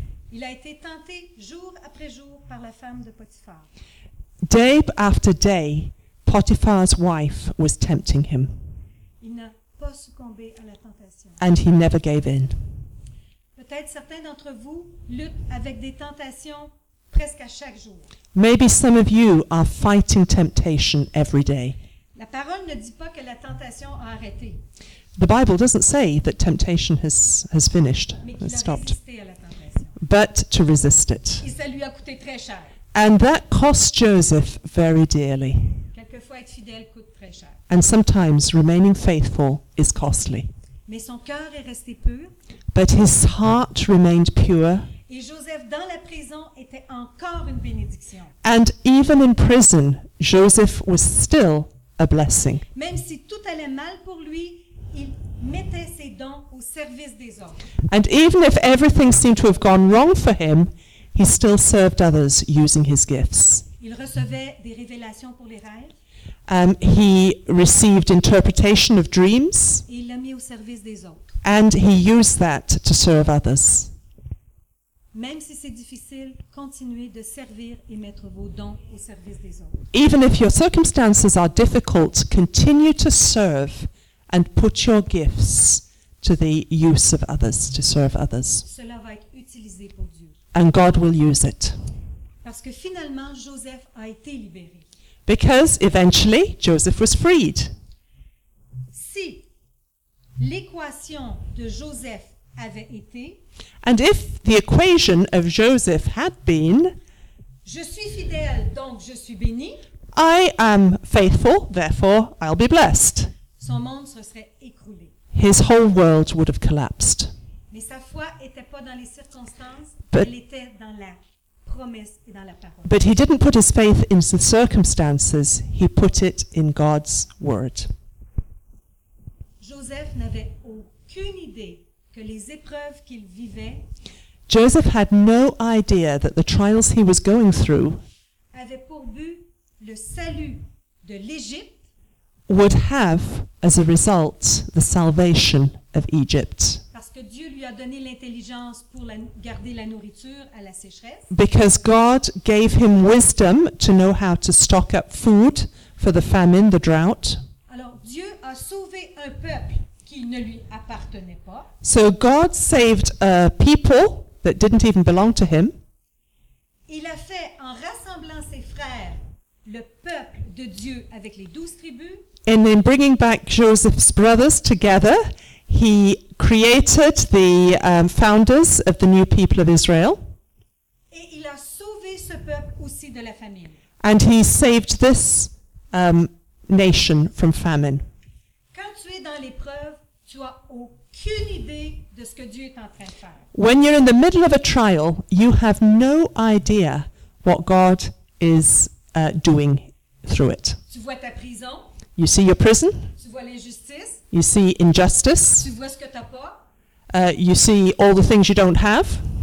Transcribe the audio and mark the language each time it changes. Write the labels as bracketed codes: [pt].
[fr] Il a été tenté jour après jour par la femme de Potiphar. [en] Day after day, Potiphar's wife was tempting him. [fr] Il n'a pas succombé à la tentation. [en] And he never gave in. [fr] Peut-être certains d'entre vous luttent avec des tentations presque à chaque jour. [en] Maybe some of you are fighting temptation every day. [fr] La parole ne dit pas que la tentation a arrêté. [en] The Bible doesn't say that temptation has finished, has stopped. [fr] Mais qu'il a résisté à la tentation. [en] But to resist it. [fr] Et ça lui a coûté très cher. [en] And that cost Joseph very dearly. [fr] Quelquefois être fidèle coûte très cher. [en] And sometimes remaining faithful is costly. [fr] Mais son cœur est resté pur. [en] But his heart remained pure. [fr] Et Joseph dans la prison était encore une bénédiction. [en] And even in prison, Joseph was still a blessing. [fr] Même si tout allait mal pour lui, il mettait ses dons au service des autres. [en] And even if everything seemed to have gone wrong for him, he still served others using his gifts. [fr] Il recevait des révélations pour les rêves. [en] He received interpretation of dreams. [fr] Et il l'a mis au service des autres. [en] And he used that to serve others. [fr] Même si c'est difficile, continuez de servir et mettre vos dons au service des autres. [en] Even if your circumstances are difficult, continue to serve and put your gifts to the use of others, to serve others. [fr] Cela va être utilisé pour Dieu. [en] And God will use it. [fr] Parce que finalement, Joseph a été libéré. [en] Because eventually Joseph was freed. [fr] Si l'équation de Joseph avait été, [en] and if the equation of Joseph had been, [fr] je suis fidèle, donc je suis béni, [en] I am faithful, therefore I'll be blessed. [fr] Son monde se serait écroulé. [en] His whole world would have collapsed. [fr] Mais sa foi était pas dans les circonstances, [en] but [fr] elle était dans la promesse et dans la parole. [en] But he didn't put his faith in the circumstances, he put it in God's word. [fr] Joseph n'avait aucune idée que les épreuves qu'il vivait, [en] Joseph had no idea that the trials he was going through [fr] avait pour but le salut de l'Égypte [en] would have as a result the salvation of Egypt. [fr] Parce que Dieu lui a donné l'intelligence pour la, garder la nourriture à la sécheresse. [en] Because God gave him wisdom to know how to stock up food for the famine, the drought. [fr] Alors Dieu a sauvé un peuple qui ne lui appartenait pas. [en] So God saved a people that didn't even belong to him. [fr] Il a fait en rassemblant ses frères le peuple de Dieu avec les 12 tribus. [en] And in bringing back Joseph's brothers together, he created the founders of the new people of Israel. [fr] Et il a sauvé ce peuple aussi de la famine. [en] And he saved this nation from famine. [fr] Quand tu es dans l'épreuve, tu as aucune idée de ce que Dieu est en train de faire. [en] When you're in the middle of a trial, you have no idea what God is doing through it. [fr] Tu vois ta prison. [en] You see your prison. [fr] Tu vois l'injustice. [en] You see injustice. [fr] Tu vois ce que t'as pas. [en] You see all the things you don't have.